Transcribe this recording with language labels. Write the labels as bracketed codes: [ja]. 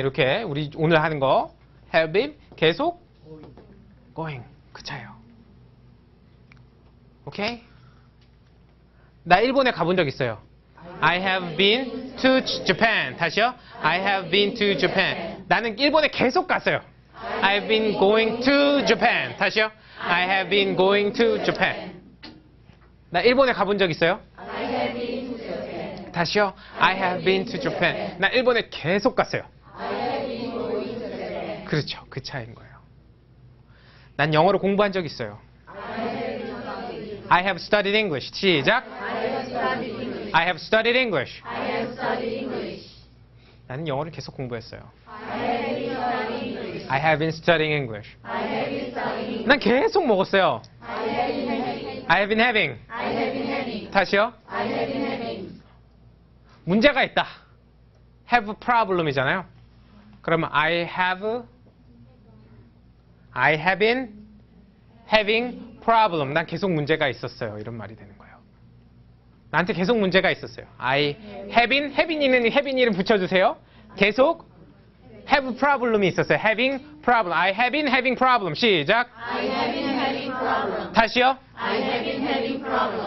[ko] 이렇게 우리 오늘 하는 거 [en] have been [ko] 계속 going 그 차예요. 오케이? 나 일본에 가본 적 있어요. [en] I have been to Japan. 다시요. I have been to Japan. [ko] 나는 일본에 계속 갔어요. [en] I've been going to Japan. 다시요. I have been going to Japan. [ko] 나 일본에 가본 적 있어요? [en] I have been to Japan. 다시요. I have been to Japan. [ko] 나 일본에 계속 갔어요. [en] I have been going to Japan. [ko] 그렇죠. 그 차이인 거예요. 난 영어를 공부한 적 있어요. [en] I have studied English. [ko] 시작. [en] I have studied English. I have studied English. [ko] 나는 영어를 계속 공부했어요. [en] I have been studying English. I have been studying English. [ko] 난 계속 먹었어요. [en] I have been having. I have been having. 다시요. I have been having. [ko] 문제가 있다. [en] Have a problem이잖아요. [ko] 그러면 [en] I have been having problem. [ko] 난 계속 문제가 있었어요. 이런 말이 되는 거예요. 나한테 계속 문제가 있었어요. [en] I have been [ko] 붙여주세요. 계속 [en] have problem [ko] 이 있었어요. [en] Having problem. I have been having problem. [ko] 시작. [en] I have been having problem. [ko] 다시요. [en] I have been having problem.